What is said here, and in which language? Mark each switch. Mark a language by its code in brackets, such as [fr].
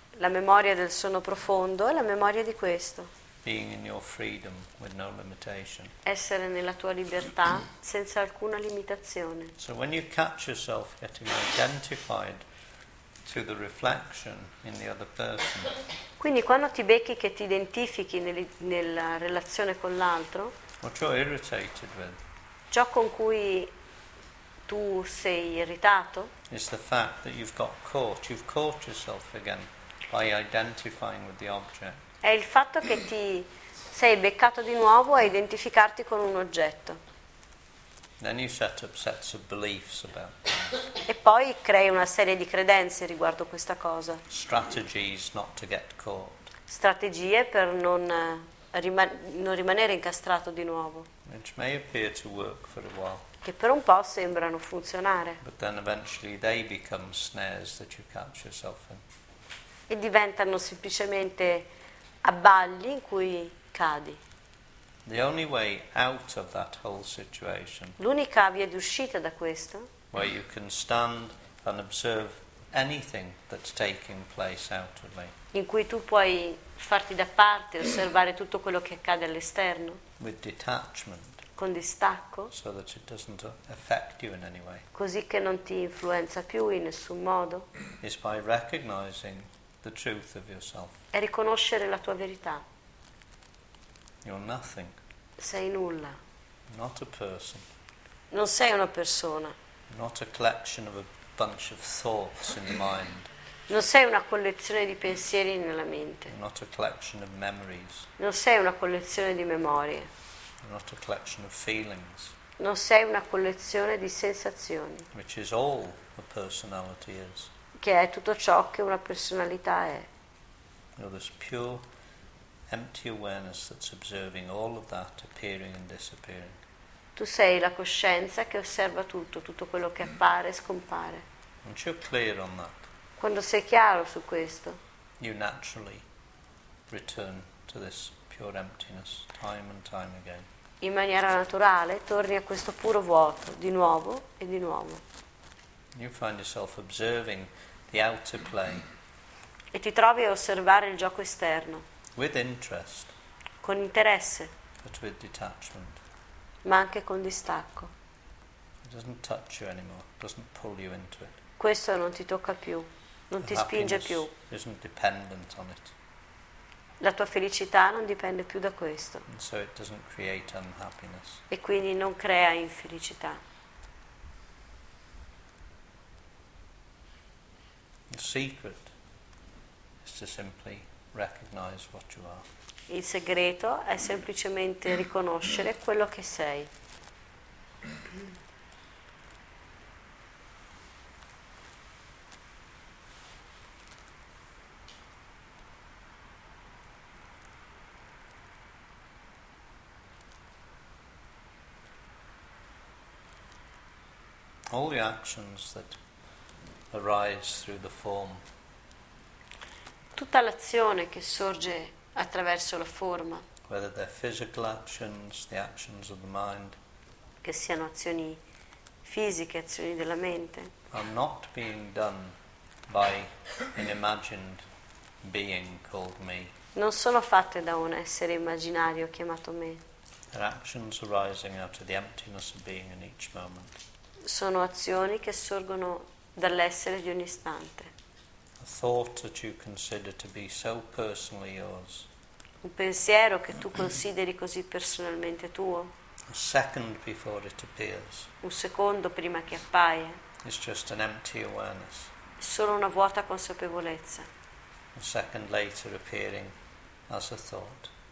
[it] La memoria del sonno profondo è la memoria di questo. [en] Being in your freedom with no limitation. [it] Essere nella tua libertà senza alcuna limitazione. [en] So when you catch yourself getting identified to the reflection in the other person. [it] Quindi quando ti becchi che ti identifichi nella relazione con l'altro. [en] What you're irritated with. [it] Ciò con cui tu sei irritato. [en] Is the fact that you've got caught. You've caught yourself again by identifying with the object. [it] È il fatto che ti sei beccato di nuovo a identificarti con un oggetto. [en] Then you set up sets of beliefs about things. [it] E poi crei una serie di credenze riguardo questa cosa. [en] Strategies not to get caught. [it] Strategie per non rimanere incastrato di nuovo. [en] Which may appear to work for a while. [it] Che per un po' sembrano funzionare. [en] But then eventually they become snares that you catch yourself in. [it] E diventano semplicemente abbagli in cui cadi. [en] The only way out of that whole situation. [it] L'unica via di uscita da questo. [en] Where you can stand and observe anything that's taking place outwardly. [it] In cui tu puoi farti da parte, osservare tutto quello che accade all'esterno. [en] With detachment. [it] Con distacco, [en] so that it doesn't affect you in any way. [it] Così che non ti influenza più in nessun modo. [en] Is by recognizing the truth of yourself. [it] È riconoscere la tua verità. [en] You're nothing. [it] Sei nulla. [en] Not a person. [it] Non sei una persona. [en] Not a collection of a bunch of thoughts in the mind. [it] Non sei una collezione di pensieri nella mente. [en] Not a collection of memories. [it] Non sei una collezione di memorie. [en] Not a collection of feelings. [it] Non sei una collezione di sensazioni. [en] Which is all a personality is. [it] Che è tutto ciò che una personalità è. [en] You're this pure, empty awareness that's observing all of that appearing and disappearing. [it] Tu sei la coscienza che osserva tutto quello che appare e scompare. [en] Aren't you clear on that? [it] Quando sei chiaro su questo. [en] You naturally return to this pure emptiness time and time again. [it] In maniera naturale torni a questo puro vuoto di nuovo e di nuovo. [en] You find yourself observing the outer play. [it] E ti trovi a osservare il gioco esterno. [en] With interest. [it] Con interesse. [en] But with detachment. [it] Ma anche con distacco. [en] It doesn't touch you anymore. It doesn't pull you into it. [it] Questo non ti tocca più. Non ti spinge più. [en] Isn't dependent on it. [it] La tua felicità non dipende più da questo. [en] So it doesn't create unhappiness. [it] E quindi non crea infelicità. [en] The secret is to simply recognize what you are. [it] Il segreto è semplicemente riconoscere quello che sei. [en] All the actions that arise through the form. [it] Tutta l'azione che sorge attraverso la forma. [en] Whether they're physical actions, the actions of the mind. [it] Che siano azioni fisiche, azioni della mente. [en] Are not being done by an imagined being called me. [it] Non sono fatte da un essere immaginario chiamato me. [en] They're actions arising out of the emptiness of being in each moment. [it] Sono azioni che sorgono dall'essere di ogni istante. [en] A thought that you consider to be so personally yours. [it] Un pensiero che tu consideri così personalmente tuo. [en] A second before it appears. [it] Un secondo prima che appaia. [en] It's just an empty awareness. [it] Solo una vuota consapevolezza. [en] A second later appearing as a thought.